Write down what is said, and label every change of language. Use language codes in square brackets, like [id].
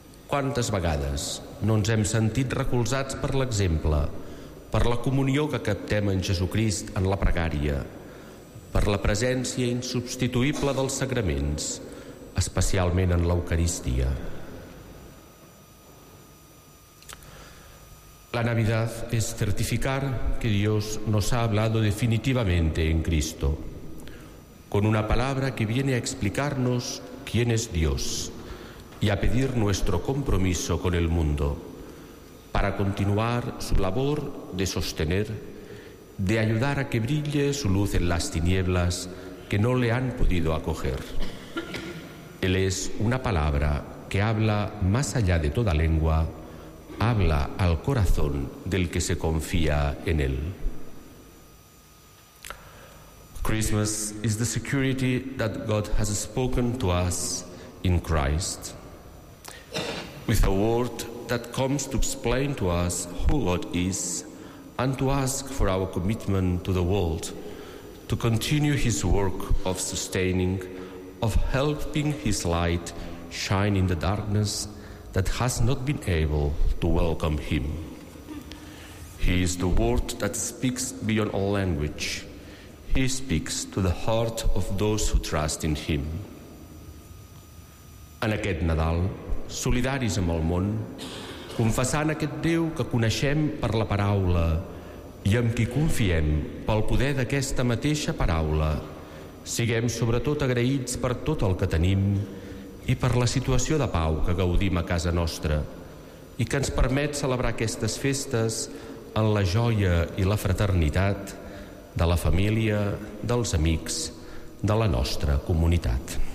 [ca] Quantes vegades no ens hem sentit recolzats per l'exemple, per la comunió que captem en Jesucrist en la pregària, per la presència insubstituïble dels sagraments, especialment en l'Eucaristia. [es] La Navidad es certificar que Dios nos ha hablado definitivamente en Cristo, con una palabra que viene a explicarnos quién es Dios y a pedir nuestro compromiso con el mundo para continuar su labor de sostener, de ayudar a que brille su luz en las tinieblas que no le han podido acoger. Él es una palabra que habla más allá de toda lengua, habla al corazón del que se confía en él. [en] Christmas is the security that God has spoken to us in Christ, with a word that comes to explain to us who God is and to ask for our commitment to the world, to continue his work of sustaining, of helping his light shine in the darkness that has not been able to welcome him. He is the word that speaks beyond all language. He speaks to the heart of those who trust in him. [ca] En aquest Nadal, solidaris amb el món, confessant aquest Déu que coneixem per la paraula i amb qui confiem pel poder d'aquesta mateixa paraula, siguem sobretot agraïts per tot el que tenim i per la situació de pau que gaudim a casa nostra i que ens permet celebrar aquestes festes en la joia i la fraternitat de la família, dels amics, de la nostra comunitat.